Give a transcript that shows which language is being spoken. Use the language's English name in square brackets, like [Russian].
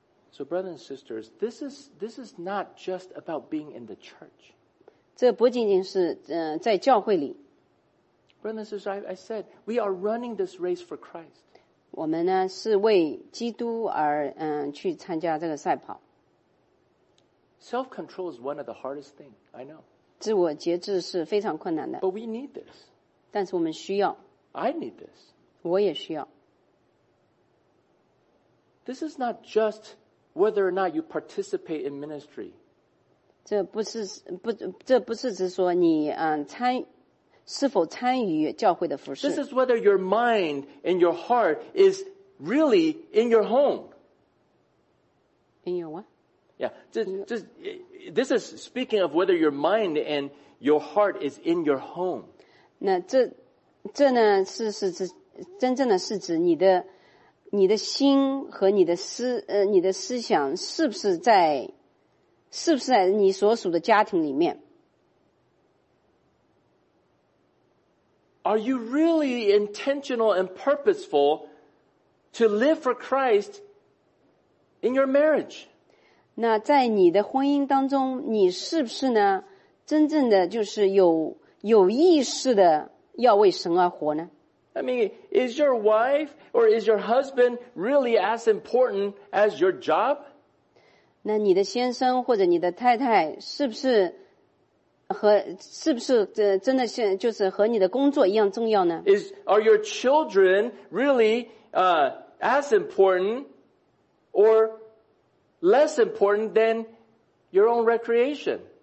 [English] So brothers and sisters, this is not just about being in the church. [Chinese] 这不仅仅是在教会里。 [English] Brothers and sisters, I said, we are running this race for Christ. [Chinese] 我们呢是为基督而去参加这个赛跑。 [English] Self-control is one of the hardest things, I know. [Chinese] 自我节制是非常困难的。 [English] But we need this. [Chinese] 但是我们需要。 [English] I need this. [Chinese] 我也需要。 [English] This is not just whether or not you participate in ministry. [Chinese] 这不是只说你是否参与教会的服事。 [English] This is whether your mind and your heart is really in your home. In your what? Yeah, this is speaking of whether your mind and your heart is in your home. [Chinese] 那这呢是真正的是指你的你的心和你的你的思想是不是在，是不是在你所属的家庭里面？ [English] Are you really intentional and purposeful to live for Christ in your marriage? [Chinese] 那在你的婚姻当中，你是不是呢，真正的就是有意识的要为神而活呢？ [English] I mean, is your wife or is your husband really as important as your job? [Chinese] 那你的先生或者你的太太是不是和是不是真的是就是和你的工作一样重要呢？ [English] Are your children really as important or less important than your own recreation?